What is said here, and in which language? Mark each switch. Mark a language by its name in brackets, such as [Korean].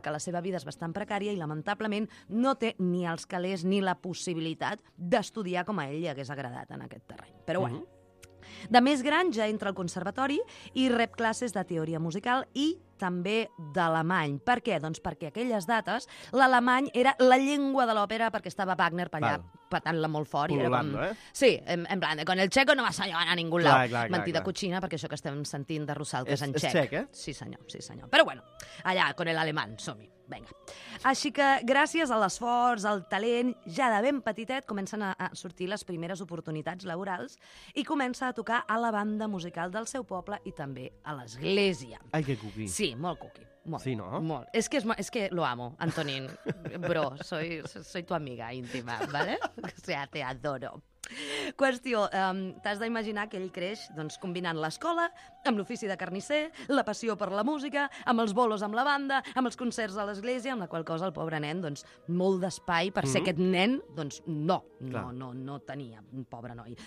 [Catalan] Que la seva vida és bastant precària i, lamentablement, no té ni els calés ni la possibilitat d'estudiar com a ell li hagués agradat en aquest terreny. Però bueno. De més gran ja entra al conservatori i rep classes de teoria musical i també d'alemany. Per què? Doncs perquè aquelles dates l'alemany era la llengua de l'òpera perquè estava Wagner per allà petant-la molt fort. [Spanish] Pululando, com... Sí, en plan, con el checo no vas a llevar a ningú [Catalan] clar, [Spanish] lado. [Catalan] Clar, clar, mentida clar. [Spanish] Cochina, [Catalan] perquè això que estem sentint de Rusalka és en txec. És txec, eh? Sí, senyor, sí, senyor. Però bueno, allà, [Spanish] con el alemán, [Catalan] som-hi. Vinga. Així que gràcies a l'esforç, al talent, ja de ben petitet comencen a sortir les primeres oportunitats laborals i comença a tocar a la banda musical del seu poble i també a l'església. Ai, que cuqui. Sí, molt cuqui. Molt, sí, no? Molt. És que [Spanish] lo amo, Antonín. Bro, soy tu amiga íntima, ¿vale? O sea, te adoro. [Catalan] Qüestió, t'has d'imaginar que ell creix doncs, combinant l'escola amb l'ofici de carnisser, la passió per la música, amb els bolos amb la banda, amb els concerts a l'església, amb la qual cosa el pobre nen, doncs, molt d'espai per ser aquest nen, doncs no tenia, un pobre noi.